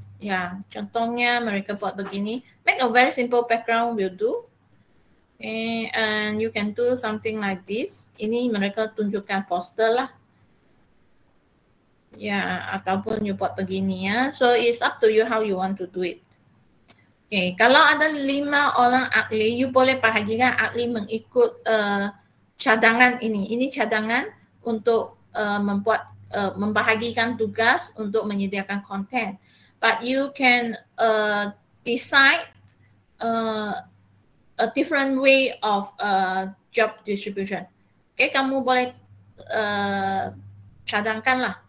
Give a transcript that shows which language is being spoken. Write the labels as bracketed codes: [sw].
[en] Yeah, [ms] contohnya mereka buat begini. [en] Make a very simple background will do. Okay, and you can do something like this. [ms] Ini mereka tunjukkan poster lah. [en] Yeah, [ms] ataupun you buat begini ya. [en] So it's up to you how you want to do it. [ms] Okay, kalau ada 5 orang ahli, you boleh bahagikan ahli mengikut cadangan ini. Ini cadangan untuk membuat membahagikan tugas untuk menyediakan content. [en] But you can decide a different way of job distribution. [ms] Okay, kamu boleh cadangkan lah.